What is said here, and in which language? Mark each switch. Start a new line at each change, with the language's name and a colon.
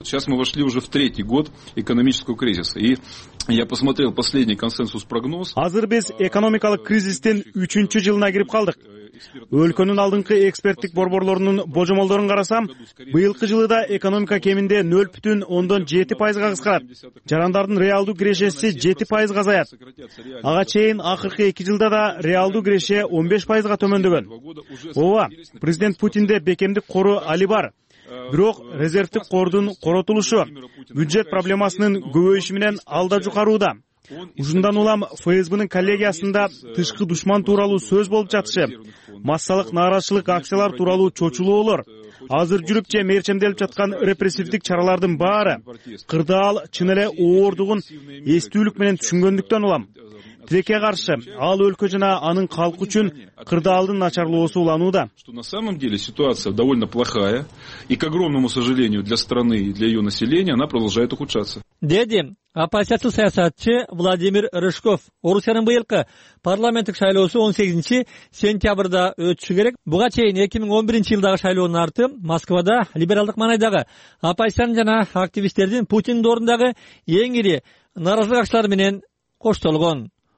Russian: Сейчас мы вошли уже в третий год экономического кризиса. И я посмотрел последний консенсус прогноз.
Kyrgyz: Азыр биз экономикалык кризистин 3-чү жылына кирип калдык. Өлкөнүн алдыңкы эксперттик борборлорунун божомолдорун карасам, быйылкы жылы да экономика кеминде 0.7% кыскарат. Жарандардын реалдуу кирешеси 7% азаят. Ага чейин акыркы 2 жылда да реалдуу киреше 15% төмөндөгөн. Ооба, президент Путинде бекемдик кору Али бар. Бирок резервдик кордун коротулушу бюджет проблемасынын көбөйүшү менен алда жукарууда. Ушундан улам ФСБнын коллегиясында тышкы душман тууралуу сөз болуп жатышы, массалык нааразычылык акциялар тууралуу чочулуулор, азыр жүрүп же мерчемделип жаткан репрессивдик чаралардын баары кырдаал чын эле оордугун эстүүлүк менен түшүнгөндүктөн улам тилекке каршы ал өлкө жана анын калкы үчүн кырдаалдын начарлоосу уланууда.
Russian: Что на самом деле ситуация довольно плохая и к огромному сожалению для страны и для ее населения она продолжает ухудшаться.
Kyrgyz: Деди оппозициячыл саясатчы Владимир Рыжков. Орусиянын быйылкы парламенттик шайлоосу 18-сентябрда өтүшү керек. Буга чейин 2011-жылдагы шайлоонун арты Москвада либералдык маанайдагы оппозициянын жана активисттердин Путин доорундагы эң ири нааразылык акчылары менен коштолгон.